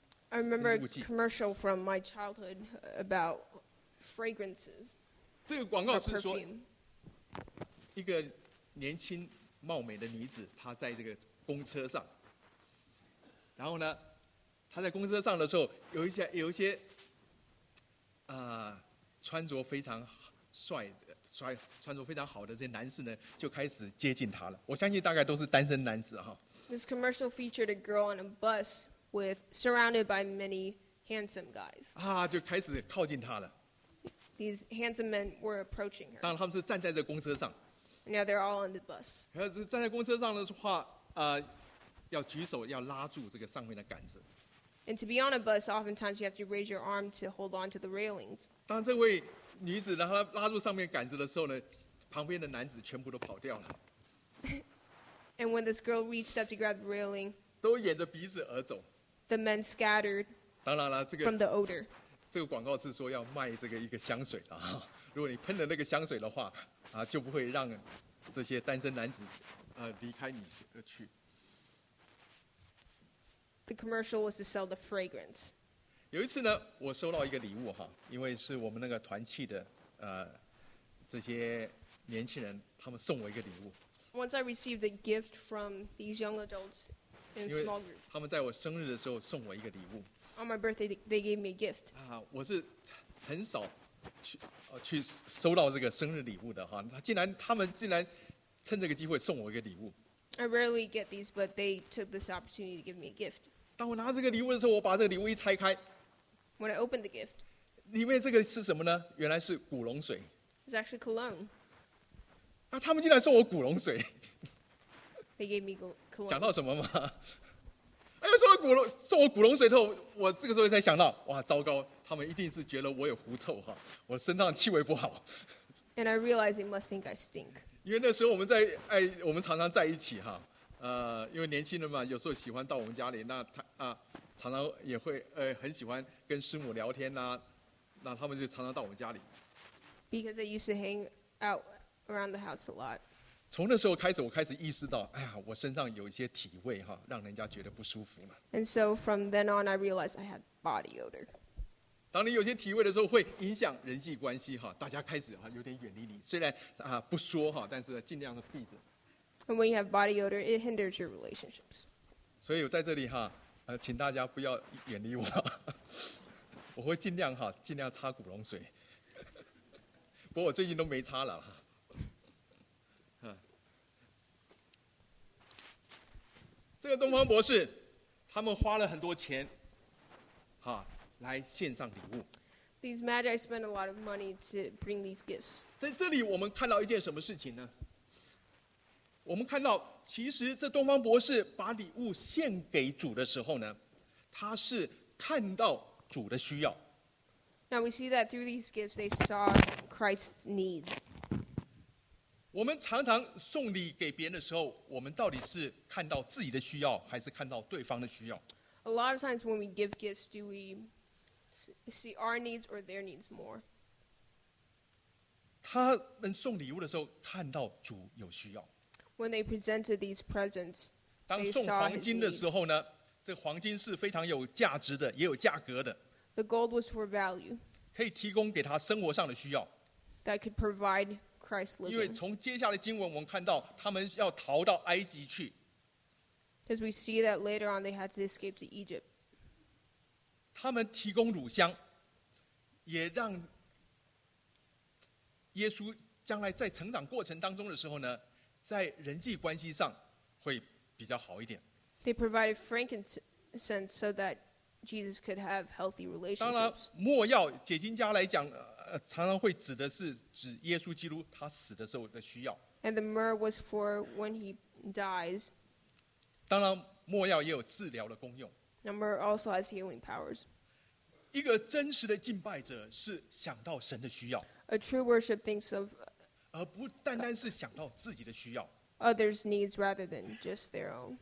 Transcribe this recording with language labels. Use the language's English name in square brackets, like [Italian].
[English] I remember a commercial from my childhood about fragrances. [Chinese] 这个广告是说，一个年轻貌美的女子，她在这个公车上，然后呢，她在公车上的时候，有一些啊。穿着非常帅的穿着非常好的这些男士呢，就开始接近他了。我相信大概都是单身男子哈。 [English] This commercial featured a girl on a bus with surrounded by many handsome guys. [Chinese] 啊，就开始靠近他了。 [English] These handsome men were approaching her. [Chinese] 当然，他们是站在这公车上。 [English] Now they're all on the bus. [Chinese] 站在公车上的话，要举手，要拉住这个上面的杆子。 [English] And to be on a bus, oftentimes you have to raise your arm to hold on to the railings. [Chinese] 当这位女子然后拉住上面杆子的时候呢，旁边的男子全部都跑掉了。 [English] And when this girl reached up to grab the railing, [Chinese] 都沿着鼻子而走。 [English] The men scattered. [Chinese] 当然了，这个 [English] from the odor. [Chinese] 这个广告是说要卖这个一个香水啊，如果你喷了那个香水的话，啊，就不会让这些单身男子，离开你而去。 [English] The commercial was to sell the fragrance. [Chinese] 有一次呢，我收到一个礼物哈，因为是我们那个团契的这些年轻人，他们送我一个礼物。 [English] Once I received a gift from these young adults in a small group. [Chinese] 他们在我生日的时候送我一个礼物。 [English] On my birthday, they gave me a gift. [Chinese] 啊，我是很少去收到这个生日礼物的哈，他们竟然趁这个机会送我一个礼物。 [English] I rarely get these, but they took this opportunity to give me a gift. [Chinese] 当我拿这个礼物的时候，我把这个礼物一拆开。 [English] When I opened the gift, [Chinese] 里面这个是什么呢？原来是古龙水。 [English] It's actually cologne. [Chinese] 那他们竟然送我古龙水。 [English] They gave me cologne. [Chinese] 想到什么吗？哎，送我古龙水之后，我这个时候才想到，哇，糟糕，他们一定是觉得我有狐臭哈，我身上气味不好。 [English] And I realized they must think I stink. [Chinese] 因为那时候我们常常在一起哈，因为年轻人嘛，有时候喜欢到我们家里，那他啊，常常也会很喜欢跟师母聊天呐、啊，那他们就常常到我们家里。 [English] Because I used to hang out around the house a lot. [Chinese] 从那时候开始，我开始意识到，哎呀，我身上有一些体味哈，让人家觉得不舒服嘛。 [English] And so from then on, I realized I had body odor. [Chinese] 当你有些体味的时候，会影响人际关系哈，大家开始哈有点远离你。虽然啊不说哈，但是尽量的避着。 [English] When you have body odor, it hinders your relationships. [Chinese] 所以我在这里哈，请大家不要远离我，我会尽量擦古龙水。不过我最近都没擦了哈。这个东方博士，他们花了很多钱，哈。来献上礼物。 [English] These magi spend a lot of money to bring these gifts. [Chinese] 在这里，我们看到一件什么事情呢？我们看到，其实这东方博士把礼物献给主的时候呢，他是看到主的需要。 [English] Now we see that through these gifts, they saw Christ's needs. [Chinese] 我们常常送礼给别人的时候，我们到底是看到自己的需要，还是看到对方的需要 [English] ？A lot of times when we give gifts, do we see our needs or their needs more. [Chinese] 他们送礼物的时候看到主有需要。 [English] When they presented these presents, [Chinese] 当送黄金的时候呢，这黄金是非常有价值的，也有价格的。 [English] The gold was for value. [Chinese] 可以提供给他生活上的需要。 [English] That could provide Christ living. [Chinese] 因为从接下来经文我们看到他们要逃到埃及去。 [English] Because we see that later on they had to escape to Egypt. [Chinese] 他们提供乳香，也让耶稣将来在成长过程当中的时候呢，在人际关系上会比较好一点。 [English] They provided frankincense so that Jesus could have healthy relationships. [Chinese] 当然，末药解经家来讲，常常会指的是指耶稣基督他死的时候的需要。 [English] And the myrrh was for when he dies. [Chinese] 当然，末药也有治疗的功用。 [English] The myrrh also has healing powers. [Chinese] 一个真实的敬拜者是想到神的需要。 [English] A true worship thinks of. [Chinese] 而不单单是想到自己的需要。 [English] Others' needs rather than just their own.